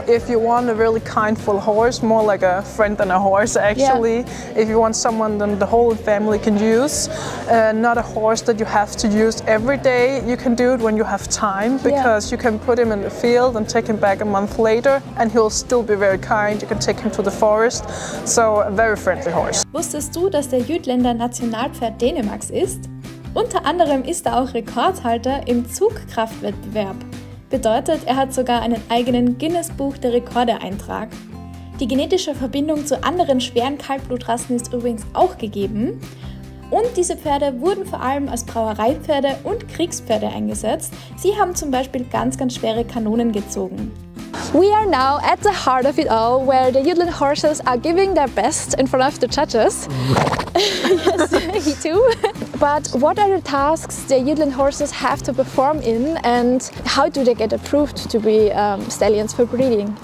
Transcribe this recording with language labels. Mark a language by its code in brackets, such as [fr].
[en] If you want a really kindful horse, more like a friend than a horse, actually. Yeah. If you want someone that the whole family can use, not a horse that you have to use every day, you can do it when you have time, because you can put him in the field and take him back a month later, and he'll still be very kind. You can take him to the forest. So, a very friendly horse. [de] Wusstest du, dass der Jütländer Nationalpferd Dänemarks ist? Unter anderem ist er auch Rekordhalter im Zugkraftwettbewerb. Bedeutet, er hat sogar einen eigenen Guinness-Buch der Rekorde-Eintrag. Die genetische Verbindung zu anderen schweren Kaltblutrassen ist übrigens auch gegeben. Und diese Pferde wurden vor allem als Brauereipferde und Kriegspferde eingesetzt. Sie haben zum Beispiel ganz, ganz schwere Kanonen gezogen. [en] We are now at the heart of it all, where the Jutland horses are giving their best in front of the judges. Yes, me too. But what are the tasks the Jutland horses have to perform in, and how do they get approved to be stallions for breeding?